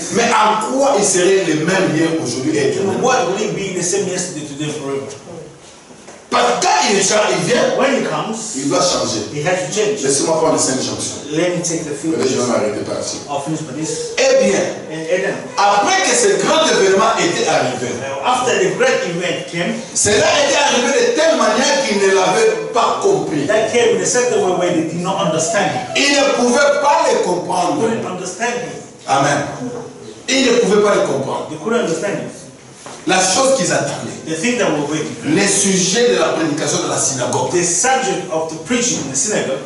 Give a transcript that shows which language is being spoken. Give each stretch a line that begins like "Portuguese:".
French: mais en quoi il serait le même hier aujourd'hui et demain?
English: What will he be the same yesterday, today, forever?
French: Parce que quand il vient,
English: when he comes,
French: il doit changer.
English: He has to change.
French: Laissez-moi prendre une scène chanson.
English: Let me take the field.
French: Je vais m'arrêter par ici.
English: I'll finish by this.
French: Eh bien,
English: Eden,
French: après que ce grand événement était arrivé,
English: after the great event came,
French: cela était arrivé de telle manière qu'il ne l'avait pas compris.
English: That came in a certain way where they did not understand it.
French: Il ne pouvait pas le comprendre.
English: Couldn't understand it.
French: Amen. Il ne pouvait pas le comprendre.
English: They couldn't understand it.
French: La chose qu'ils attendaient,
English: the thing that we're waiting for,
French: les sujets de la prédication de la synagogue,
English: the subject of the preaching in the synagogue,